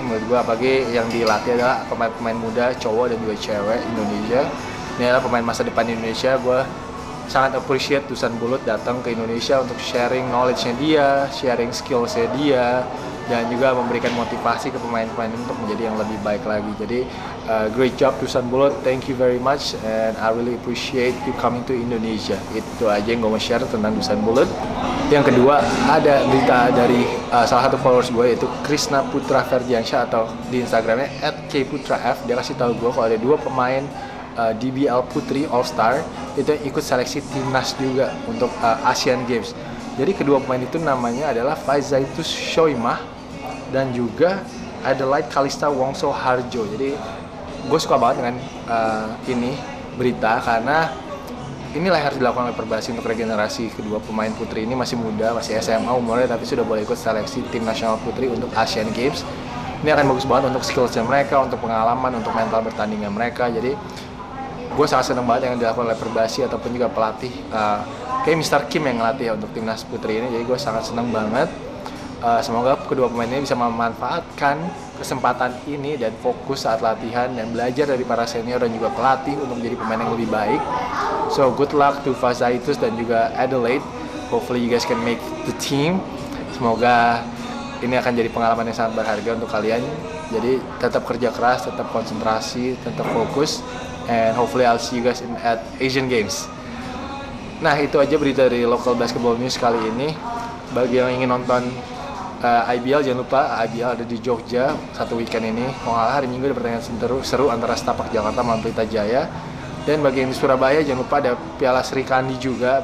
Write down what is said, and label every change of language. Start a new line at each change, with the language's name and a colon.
Indonesian: Menurut gue apalagi yang dilatih adalah pemain-pemain muda, cowok dan juga cewek Indonesia. Ini adalah pemain masa depan Indonesia. Gue sangat appreciate Dusan Bulut datang ke Indonesia untuk sharing knowledge-nya dia, sharing skills-nya dia, dan juga memberikan motivasi ke pemain-pemain untuk menjadi yang lebih baik lagi.
English: Jadi, great job Dusan Bulut, thank you very much, and I really appreciate you coming to Indonesia.
Indonesian: Itu aja yang gue mau share tentang Dusan Bulut. Yang kedua, ada berita dari salah satu followers gue, yaitu Krishna Putra Ferdiansyah, atau di Instagramnya, @kputraf. Dia kasih tahu gue kalau ada dua pemain DBL Putri All-Star, itu ikut seleksi timnas juga untuk Asian Games. Jadi kedua pemain itu namanya adalah Faizaitus Shoimah dan juga Adelaide Kalista Wongso Harjo. Jadi gue suka banget dengan ini berita karena inilah harus dilakukan oleh perbasi untuk regenerasi kedua pemain putri ini. Masih muda, masih SMA umurnya, tapi sudah boleh ikut seleksi tim nasional putri untuk Asian Games. Ini akan bagus banget untuk skillsnya mereka, untuk pengalaman, untuk mental bertandingnya mereka. Jadi gue sangat senang banget yang dilakukan oleh perbasi ataupun juga pelatih kayak Mr. Kim yang ngelatih ya untuk timnas putri ini. Jadi gue sangat senang banget. Semoga kedua pemain ini bisa memanfaatkan kesempatan ini dan fokus saat latihan dan belajar dari para senior dan juga pelatih untuk menjadi pemain yang lebih baik.
English: So good luck to Faizaitus dan juga Adelaide. Hopefully you guys can make the team.
Indonesian: Semoga ini akan jadi pengalaman yang sangat berharga untuk kalian. Jadi tetap kerja keras, tetap konsentrasi, tetap fokus.
English: And hopefully I'll see you guys in at Asian Games.
Indonesian: Nah, itu aja berita dari Local Basketball News kali ini. Bagi yang ingin nonton IBL, jangan lupa IBL ada di Jogja satu weekend ini. Kalau nggak, hari Minggu ada pertandingan seru antara Setapak Jakarta melawan Pelita Jaya. Dan bagi yang di Surabaya, jangan lupa ada Piala Sri Kandi juga.